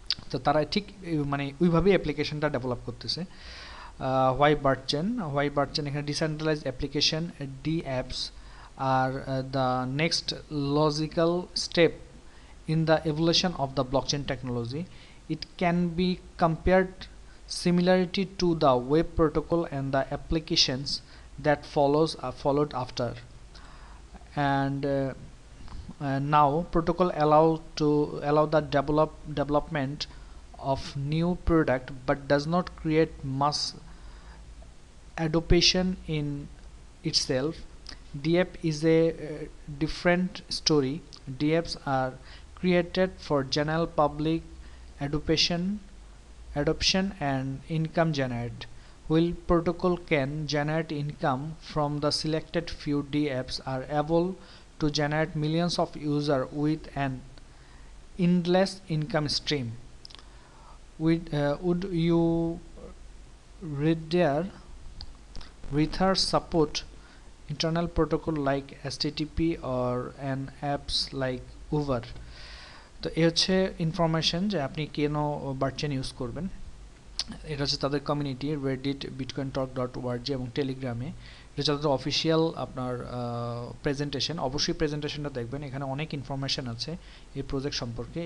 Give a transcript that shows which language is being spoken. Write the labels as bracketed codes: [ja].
[bn] তো তারা ঠিক মানে ওইভাবেই অ্যাপ্লিকেশনটা ডেভেলপ করতেছে। [en] Why বার্ডচেইন এখানে decentralized application D apps are the next logical step in the evolution of the blockchain technology. It can be compared similarity to the web protocol and the applications that followed after. And Now, protocol allow the development of new product, but does not create mass adoption in itself. DApp is a different story. DApps are created for general public adoption and income generate. While protocol can generate income from the selected few, DApps are able to generate millions of users with an endless income stream. Would you rather support internal protocol like HTTP or an apps like Uber? [bn] তো এই হচ্ছে information যে আপনি কেন বার্চেন use করবেন। এটা হচ্ছে তাদের কমিউনিটি রেডিট বিটকয়েন টক ডট ওয়ার্জি এবং টেলিগ্রামে। এটা হচ্ছে তাদের অফিসিয়াল আপনার প্রেজেন্টেশন, অবশ্যই প্রেজেন্টেশনটা দেখবেন, এখানে অনেক ইনফরমেশান আছে এই প্রজেক্ট সম্পর্কে।